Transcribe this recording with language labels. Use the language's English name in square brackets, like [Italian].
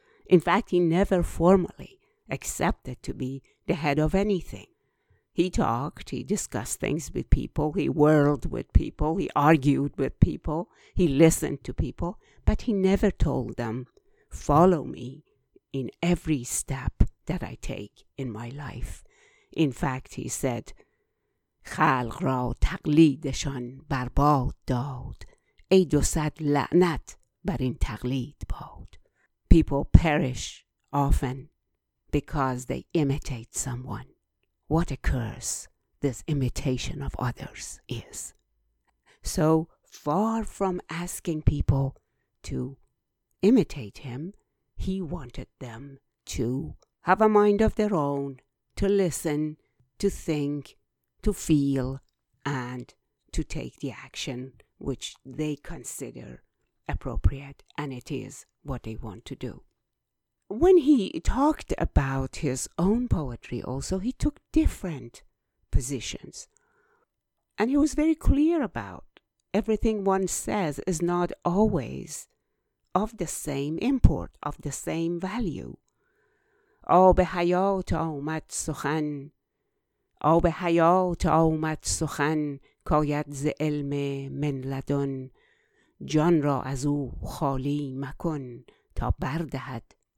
[English] In fact, he never formally accepted to be the head of anything. He talked, he discussed things with people, he whirled with people, he argued with people, he listened to people, but he never told them, follow me in every step that I take in my life. In fact, he said, [Persian] خلق را تقلیدشان برباد داد. ای دو صد لعنت بر این تقلید باد. [English] People perish often because they imitate someone. What a curse this imitation of others is. So far from asking people to imitate him, he wanted them to have a mind of their own, to listen, to think, to feel, and to take the action which they consider appropriate, and it is what they want to do. When he talked about his own poetry also, he took different positions. And he was very clear about everything one says is not always of the same import, of the same value. [Persian] آب حیات آمد سخن آب حیات آمد سخن کاید ز علم من لدن جان را از او خالی مکن تا بردهد.